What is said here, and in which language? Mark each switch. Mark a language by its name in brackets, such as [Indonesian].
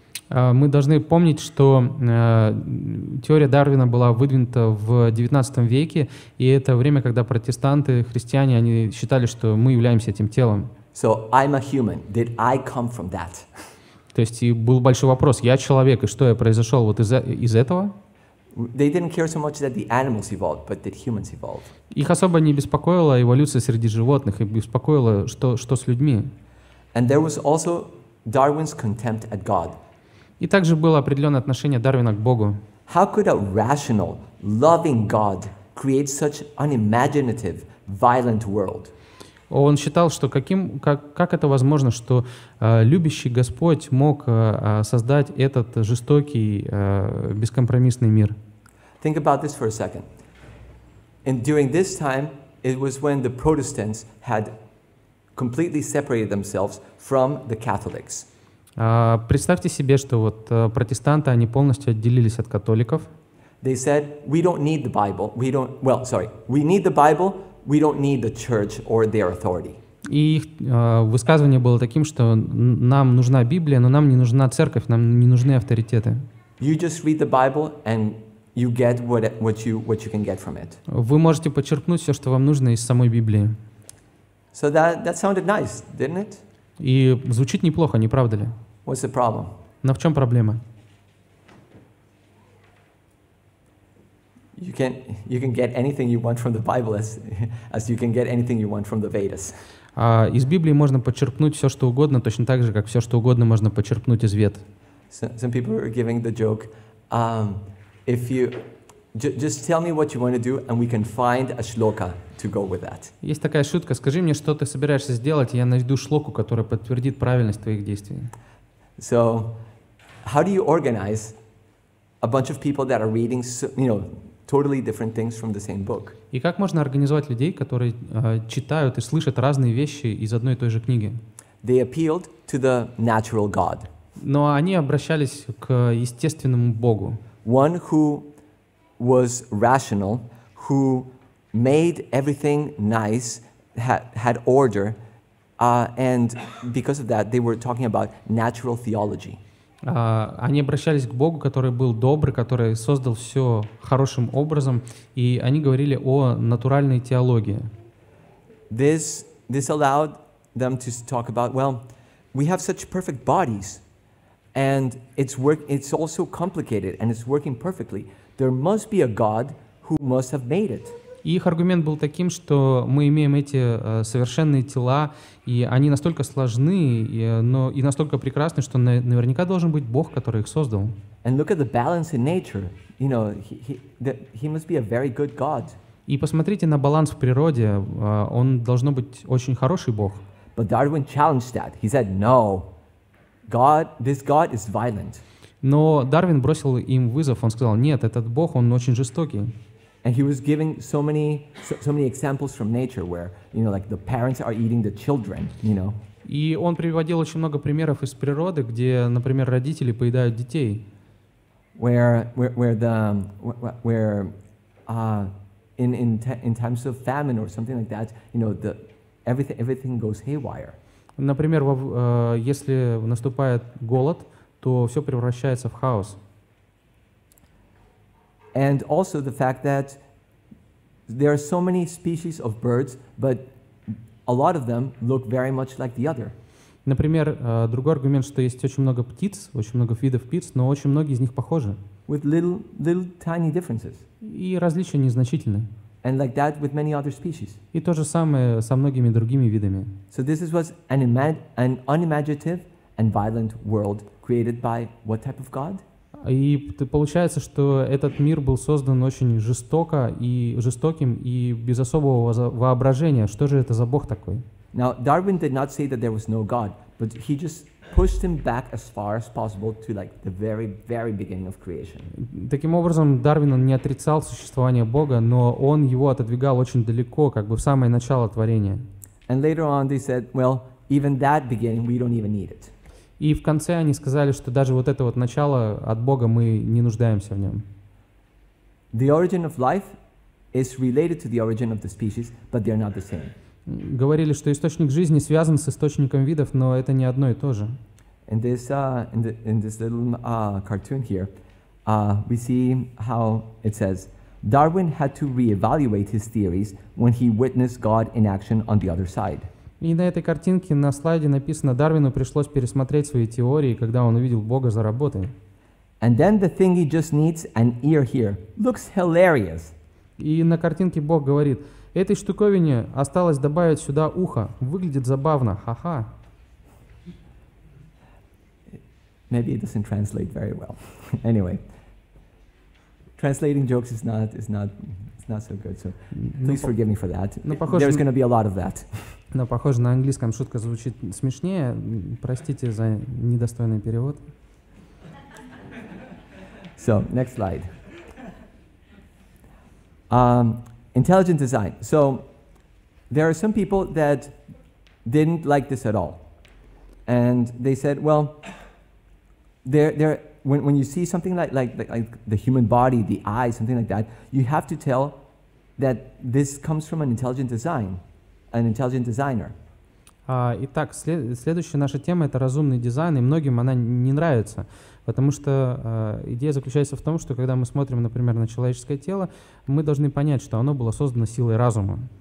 [Russian] Мы должны помнить, что теория Дарвина была выдвинута в 19 веке, и это время, когда протестанты, христиане, они считали, что мы являемся этим телом. [English] So I'm a human. Did I come from that? [Russian] То есть был большой вопрос: я человек, и что я произошел вот из этого? [English] They didn't care so much that the animals evolved, but that humans evolved. [Russian] Их особо не беспокоила эволюция среди животных, их беспокоило, что с людьми. [English] And there was also Darwin's contempt at God. [Russian] И также было определенное отношение Дарвина к Богу. [English] How could a rational, loving God create such unimaginative, violent world? [Russian] Он считал, что как это возможно, что любящий Господь мог создать этот жестокий, бескомпромиссный мир? [English] Think about this for a second. And during this time, it was when the Protestants had completely separated themselves from the Catholics. [Russian] Представьте себе, что вот протестанты, они полностью отделились от католиков. [English] They said, we don't need the Bible. We need the Bible. We don't need the church or their authority. [Russian] И их высказывание было таким, что нам нужна Библия, но нам не нужна церковь, нам не нужны авторитеты. [English] You just read the Bible and you get what you can get from it. [Russian] Вы можете почерпнуть все, что вам нужно из самой Библии. [English] So that sounded nice, didn't it? [Russian] И звучит неплохо, не правда ли? [English] What's the problem? [Russian] Но в чем проблема? [English] You can get anything you want from the Bible as you can get anything you want from the Vedas. [Russian] Из Библии можно почерпнуть все, что угодно, точно так же, как все, что угодно можно почерпнуть из Вед. [English] Some people are giving the joke, if you just tell me what you want to do and we can find a shloka to go with that. [Russian] Есть такая шутка: скажи мне, что ты собираешься сделать, и я найду шлоку, которая подтвердит правильность твоих действий. [English] So, how do you organize a bunch of people that are reading, you know, totally different things from the same book? [Russian] И как можно организовать людей, которые читают и слышат разные вещи из одной и той же книги? [English] They appealed to the natural God. [Russian] Но они обращались к естественному Богу. [English] One who was rational, who made everything nice, had order, and because of that, they were talking about natural theology. [Russian] Они обращались к Богу, который был добрый, который создал все хорошим образом, и они говорили о натуральной теологии. [English] This allowed them to talk about, well, we have such perfect bodies, and it's also complicated, and it's working perfectly. There must be a God who must have made it. [Russian] И их аргумент был таким, что мы имеем эти совершенные тела, и они настолько сложны, но настолько прекрасны, что наверняка должен быть Бог, который их создал. [English] And look at the balance in nature. You know, he must be a very good God. [Russian] И посмотрите на баланс в природе. Он должно быть очень хороший Бог. [English] But Darwin challenged that. He said, no, God, this God is violent. [Russian] Но Дарвин бросил им вызов. Он сказал: нет, этот Бог, он очень жестокий. [English] And he was giving so many examples from nature where, you know, like the parents are eating the children, you know. [Russian] И он приводил очень много примеров из природы, где, например, родители поедают детей. [English] Where in times of famine or something like that, you know, everything goes haywire. [Russian] Например, если наступает голод, то все превращается в хаос. [English] And also the fact that there are so many species of birds, but a lot of them look very much like the other. [Russian] Например, другой аргумент, что есть очень много птиц, очень много видов птиц, но очень многие из них похожи. [English] With little tiny differences. [Russian] И различия незначительны. [English] And like that with many other species. [Russian] И то же самое со многими другими видами. [English] So this was an unimaginative and violent world created by what type of God? [Russian] И получается, что этот мир был создан очень жестоко и жестоким и без особого воображения. Что же это за Бог такой? [English] Now Darwin did not say that there was no God, but he just pushed him back as far as possible to like the very, very beginning of creation. [Russian] Таким образом, Дарвин не отрицал существование Бога, но он его отодвигал очень далеко, как бы в самое начало творения. [English] And later on they said, well, even that beginning we don't even need it. [Russian] И в конце они сказали, что даже вот это вот начало от Бога мы не нуждаемся в нем. [English] The origin of life is related to the origin of the species, but they are not the same. [Russian] Говорили, что источник жизни связан с источником видов, но это не одно и то же. [English] In this cartoon here, we see how it says Darwin had to reevaluate his theories when he witnessed God in action on the other side. [Russian] И на этой картинке на слайде написано: Дарвину пришлось пересмотреть свои теории, когда он увидел Бога за работой. [English] And then the thing he just needs an ear here. Looks hilarious. [Russian] И на картинке Бог говорит: этой штуковине осталось добавить сюда ухо. Выглядит забавно. Ха-ха. [English] Maybe it doesn't translate very well. Anyway. Translating jokes is not so good. So please forgive me for that. There's going to be a lot of that. [Russian] Но похоже, на английском шутка звучит смешнее. Простите за недостойный перевод. [English] So, next slide. Intelligent design. So, there are some people that didn't like this at all. And they said, well, when you see something like the human body, the eye, something like that, you have to tell that this comes from an intelligent design. An intelligent designer. [Russian] Итак, следующая наша тема — это разумный дизайн, и многим она не нравится, потому что идея заключается в том, что когда мы смотрим, например, на человеческое тело, мы должны понять, что оно было создано силой разума.